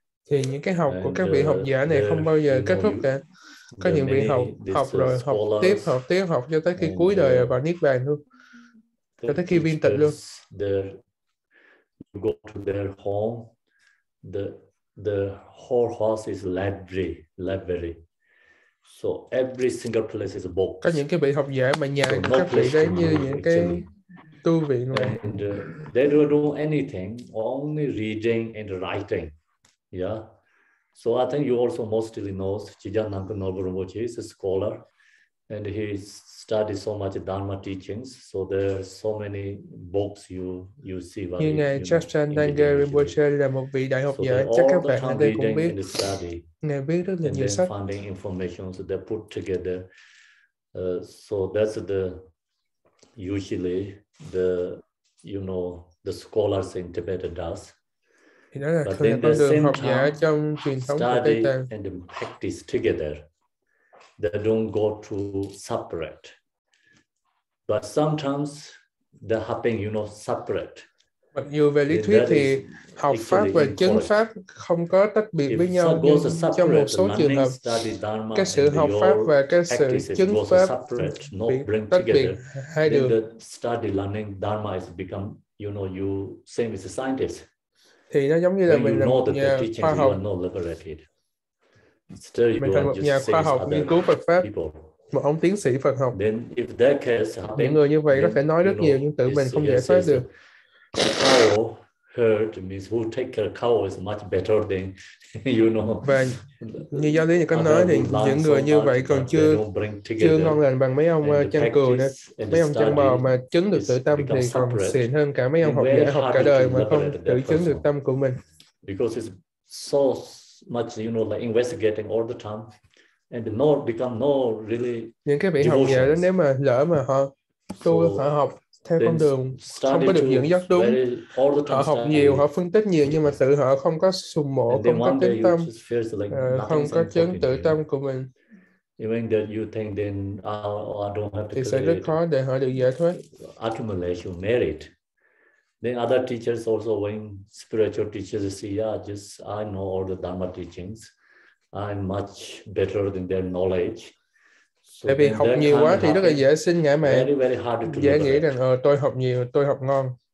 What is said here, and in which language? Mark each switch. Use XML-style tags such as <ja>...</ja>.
<vi>Thì những cái học của các vị học giả này không bao giờ kết thúc cả. Có những vị học rồi học tiếp cho tới khi cuối đời và niết bàn luôn, cho tới khi viên tịch luôn.</vi> <en>You go to their home. The whole house is library. So every single place is a book.</en> <vi>Có những cái vị học giả mà nhà so các vị đấy như những actually. Cái tu viện</vi> <en>and, they don't do anything, only reading and writing. Yeah. So I think you also mostly know Chijan Nampa Norbu Rinpoche is a scholar and he studies so much Dharma teachings. So there are so many books you see.</en> <vi>Như Ngài Chokyi Gyalpo Rinpoche là một vị đại học giả, chắc các bạn ở đây cũng biết. Ngài viết rất là nhiều sách.</vi> <en>And then finding information so they put together. So that's the usually the, you know, the scholars in Tibet does.</en> <vi>Thì đó là thường là con đường học giả trong truyền thống của Tây Tạng.</vi> <en>And practice together. They don't go to separate. But sometimes they happen, you know, separate.</en> <vi>Mặc dù về lý thuyết thì học pháp và chứng pháp không có tách biệt với nhau, nhưng trong một số trường hợp, cái sự học pháp và cái sự chứng pháp bị tách biệt hai đường.</vi> <en>Then the study learning dharma has become, you know, you same as a scientist.</en> <vi>Thì nó giống như là mình là một nhà khoa học.</vi> <en>Still,</en> <vi>mình là một nhà khoa học nghiên cứu Phật pháp, một ông tiến sĩ Phật học.</vi> <en>Then, if that case happened,</en> <vi>những người như vậy có thể nói rất nhiều nhưng tự mình không giải thoát được.</vi> <en>Cow herd means who take care of cow is much better than you know.</en> <vi>Và như giáo lý như con nói thì những người như vậy còn chưa ngon lành bằng mấy ông chăn cừu nữa, mấy ông chăn bò mà chứng được tự tâm thì còn xịn hơn cả mấy ông học giả học cả đời mà không tự chứng được tâm của mình.</vi> <en>Because it's so much, you know, like investigating all the time and not become no really</en> <vi>những cái vị học giả đó nếu mà lỡ mà họ tu họ học theo con đường không có được dẫn dắt đúng. Họ học nhiều, họ phân tích nhiều, nhưng mà tự họ không có sùng mộ, không có tính tâm, không có chấn tự tâm của mình.</vi> <en>Even that you think then I don't have to.</en> <vi>Thì sẽ rất khó để họ được giải thoát.</vi> <en>Accumulation merit. Then other teachers also, when spiritual teachers see, yeah, just I know all the Dharma teachings, I'm much better than their knowledge.</en> <vi>So tại vì học nhiều quá thì rất là dễ sinh ngã mạn, dễ nghĩ rằng tôi học nhiều, tôi học ngon.</vi>